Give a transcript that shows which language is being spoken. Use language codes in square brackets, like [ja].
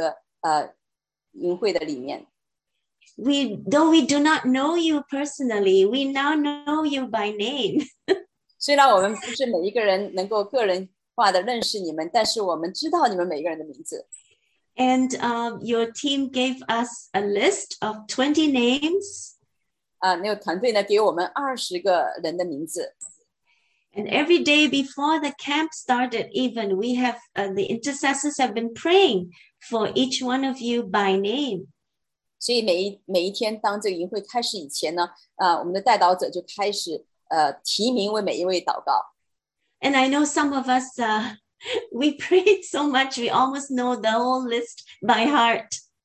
[zh] 谢谢你们来，让我们这些年长的这个年世代呢，也能够被拥有在这样的一个营会的里面。 [en] Though we do not know you personally, we now know you by name. [zh] 虽然我们不是每一个人能够个人化的认识你们，但是我们知道你们每一个人的名字。 [en] And your team gave us a list of 20 names. [zh] 那个团队呢，给我们20个人的名字。 [en] And every day before the camp started, even we have the intercessors have been praying for each one of you by name. [zh] 所以每一天，当这个营会开始以前呢，我们的代祷者就开始提名为每一位祷告。 [en] And I know some of us. We prayed so much, we almost know the whole list by heart.